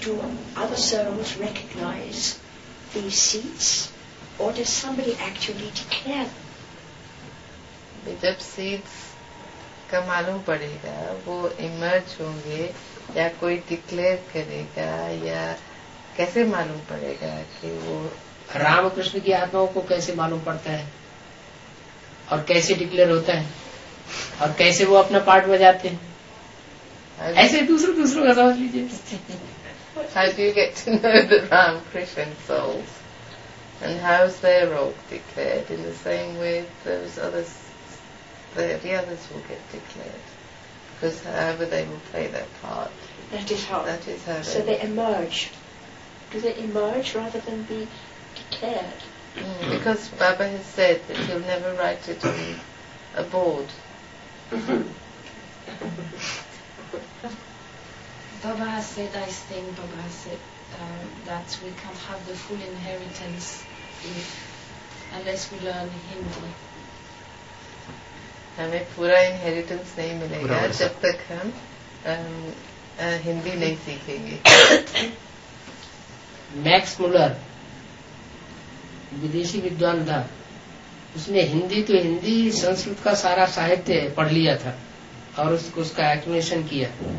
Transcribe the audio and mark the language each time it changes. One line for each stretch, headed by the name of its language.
English: Do other souls recognize these seats, or does somebody actually declare them?
Hindi: जब seats का मालूम पड़ेगा, वो emerge होंगे या कोई declare करेगा या कैसे मालूम पड़ेगा कि वो राम कृष्ण की आत्माओं को कैसे मालूम पड़ता है और कैसे डिक्लेयर होता है और कैसे वो अपना पार्ट बजाते हैं ऐसे दूसरों दूसरों का समझ लीजिए
English: How do you get to know the Ram Krishna souls and how is their role declared in the same way those others the others will get declared because however they will play their part that is how so they emerge do they emerge rather than be declared. Mm, because Baba has said that he'll never write it on a board. Baba has said, I think Baba has said, that we can't have the full inheritance unless we learn Hindi.
Hindi: हमें पूरा inheritance नहीं मिलेगा जब तक हम हिंदी नहीं सीखेंगे.
English: Max Muller.
Hindi: विदेशी विद्वान था उसने हिंदी तो हिंदी संस्कृत का सारा साहित्य पढ़ लिया था और उसको उसका एक्सप्लेनेशन किया